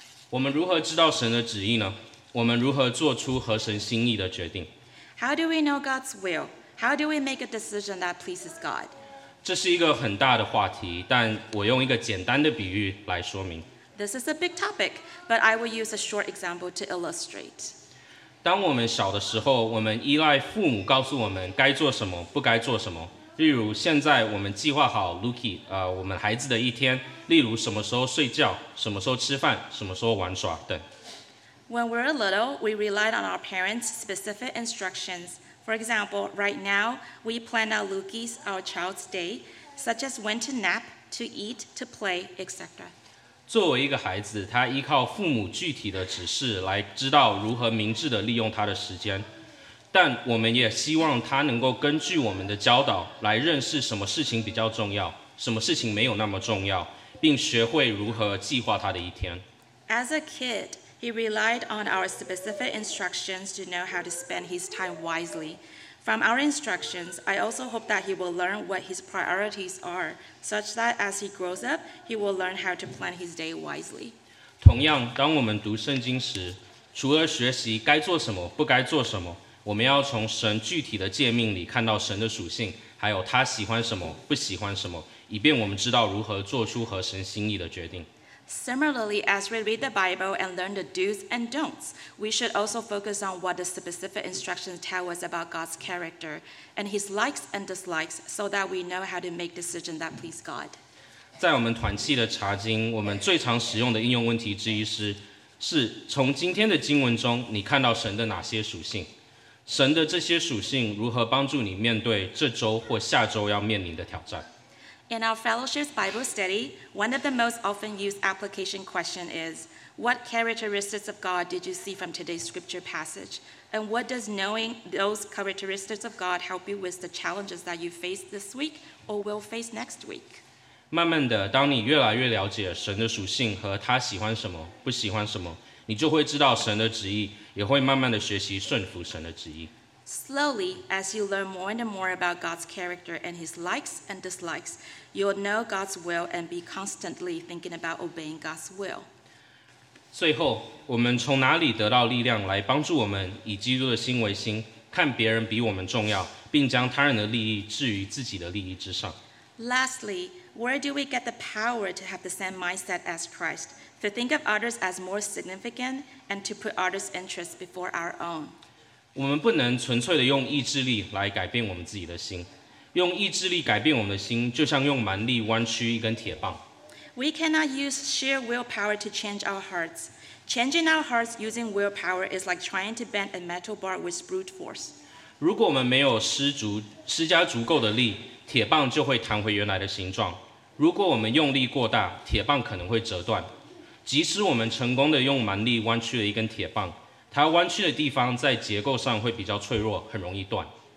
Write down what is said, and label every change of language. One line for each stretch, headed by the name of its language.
Chinese: 我们如何知道神的旨意呢？我们如何做出合神心意的决定？
English: How do we know God's will? How do we make a decision that pleases God?
Chinese: 这是一个很大的话题，但我用一个简单的比喻来说明。
English: This is a big topic, but I will use a short example to illustrate.
Chinese: 当我们小的时候，我们依赖父母告诉我们该做什么，不该做什么。例如，现在我们计划好 Lucky， 我们孩子的一天，例如什么时候睡觉，什么时候吃饭，什么时候玩耍等。
English: When we're little, we relied on our parents' specific instructions. For example, right now, we plan out Lukey's, our child's day, such as when to nap, to eat, to play, etc.
Chinese: 作为一个孩子，他依靠父母具体的指示来知道如何明智地利用他的时间。但我们也希望他能够根据我们的教导来认识什么事情比较重要，什么事情没有那么重要，并学会如何计划他的一天。
English: As a kid,He relied on our specific instructions to know how to spend his time wisely. From our instructions, I also hope that he will learn what his priorities are, such that as he grows up, he will learn how to plan his day wisely.
Chinese: 同样，当我们读圣经时，除了学习该做什么、不该做什么，我们要从神具体的诫命里看到神的属性，还有他喜欢什么、不喜欢什么，以便我们知道如何做出合神心意的决定。
English: Similarly, as we read the Bible and learn the do's and don'ts, we should also focus on what the specific instructions tell us about God's character and his likes and dislikes so that we know how to make decisions that please God.
Chinese: 在我们团契的查经，我们最常使用的应用问题之一是从今天的经文中你看到神的哪些属性？神的这些属性如何帮助你面对这周或下周要面临的挑战？
English: In our fellowship's Bible study, one of the most often used application questions is, What characteristics of God did you see from today's scripture passage? And what does knowing those characteristics of God help you with the challenges that you face this week or will face next week?
Chinese: 慢慢的，当你越来越了解神的属性和他喜欢什么、不喜欢什么，你就会知道神的旨意，也会慢慢的学习顺服神的旨意。
English: Slowly, as you learn more and more about God's character and his likes and dislikes, you'll know God's will and be constantly thinking about obeying God's will.
Chinese: 最后，我们从哪里得到力量来帮助我们以基督的心为心，看别人比我们重要，并将他人的利益置于自己的利益之上？
English: Lastly, where do we get the power to have the same mindset as Christ, to think of others as more significant and to put others' interests before our own?
Chinese: 我们不能纯粹地用意志力来改变我们自己的心，用意志力改变我们的心，就像用蛮力弯曲一根铁棒。
English: We cannot use sheer willpower to change our hearts. Changing our hearts using willpower is like trying to bend a metal bar with brute force.
Chinese: 如果我们没有施加足够的力，铁棒就会弹回原来的形状。如果我们用力过大，铁棒可能会折断。即使我们成功地用蛮力弯曲了一根铁棒，它弯曲的地方在结构上会比较脆弱，很容易断。